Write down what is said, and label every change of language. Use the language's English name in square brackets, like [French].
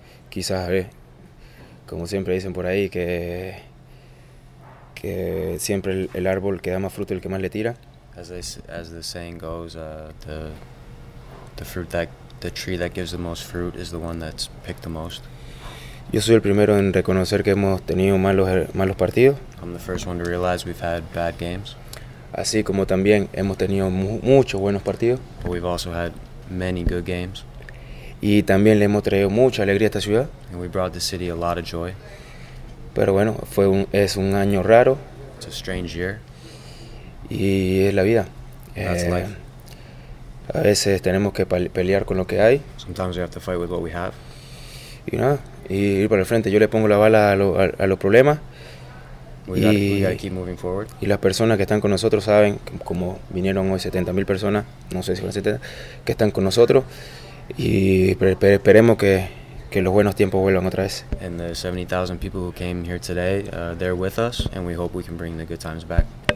[Spanish] Quizás, como siempre dicen por ahí, que siempre el árbol que da más fruto el que más le tira. [English] As the saying goes, the tree that gives the most fruit is the one that's picked the most. [Spanish] Yo soy el primero en reconocer que hemos tenido malos partidos. [English] I'm the first one to realize we've had bad games. [Spanish] Así como también hemos tenido muchos buenos partidos. [English] But we've also had many good games. [Spanish] Y también le hemos traído mucha alegría a esta ciudad. [English] And we brought the city a lot of joy. [Spanish] Pero bueno, es un año raro. [English] It's a strange year. [Spanish] Y es la vida. [English] That's life. [Spanish] A veces tenemos que pelear con lo que hay. [English] Sometimes we have to fight with what we have. [Spanish] Y nada, y ir para el frente. Yo le pongo la bala a los problemas. [English] We gotta keep moving forward. [Spanish] Y las personas que están con nosotros saben, como vinieron hoy 70,000 personas, no sé si fueron 70, que están con nosotros. Y esperemos que los buenos tiempos vuelvan otra vez. [English] And the 70,000 people who came here today, they're with us, and we hope we can bring the good times back.